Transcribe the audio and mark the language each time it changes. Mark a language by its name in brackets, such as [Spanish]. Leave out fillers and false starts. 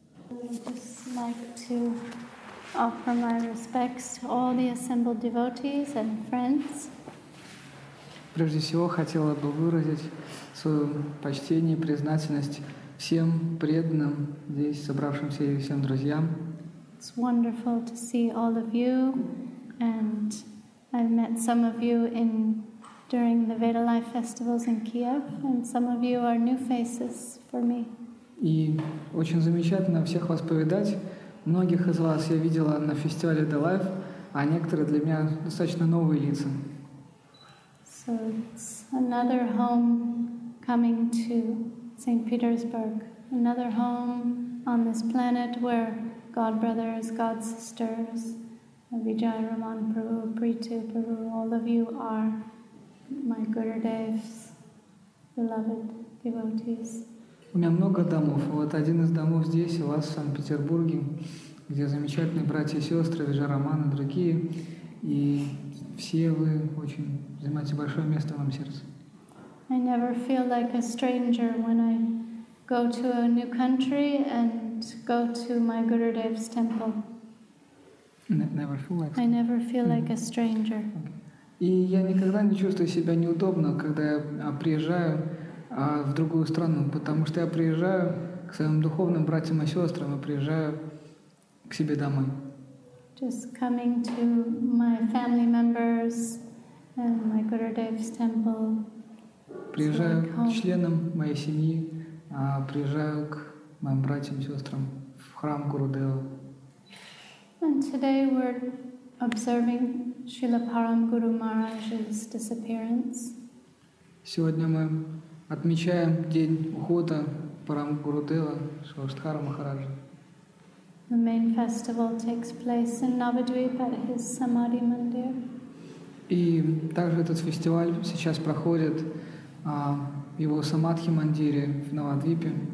[English] would just like to offer my respects to all the assembled devotees and friends. [Russian] Прежде всего, хотела бы выразить свое почтение и признательность всем преданным здесь собравшимся и всем друзьям. [English] It's wonderful to see all of you, and I've met some of you in during the Veda Life festivals in Kiev, and some of you are new faces for me. [Russian] И очень замечательно всех вас повидать. Многих из вас я видела на фестивале Veda Life, а некоторые для меня достаточно новые лица. [English] So it's another home coming to St. Petersburg, another home on this planet where God brothers, God sisters, Vijaya Raman Prabhu, Preetu Prabhu, all of you are my Gurudev's beloved devotees. [Russian] У меня много домов. Вот один из домов здесь, у вас в Санкт-Петербурге, где замечательные братья и сестры, Вижа Роман и другие. И все вы очень занимаете большое место в моем сердце. [English] I never feel like a stranger when I go to a new country and go to my Gurudev's temple. I never feel like a stranger. [Russian] И я никогда не чувствую себя неудобно, когда я приезжаю в другую страну, потому что я приезжаю к своим духовным братьям и сестрам, я приезжаю к себе домой. [English] Just coming to my family members and my Gurudev's temple. [Russian] Приезжаю к членам моей семьи, приезжаю к моим братьям и сестрам в храм Гурудева. [English] And today we're observing Srila Param Guru Maharaj's disappearance. [Russian] Сегодня мы отмечаем день ухода Парамгурудева, Шаваштхара Махараджа. [English] The main festival takes place in Navadvip at his Samadhi Mandir. [Russian] И также этот фестиваль сейчас проходит в его Самадхи Мандире в Навадвипе.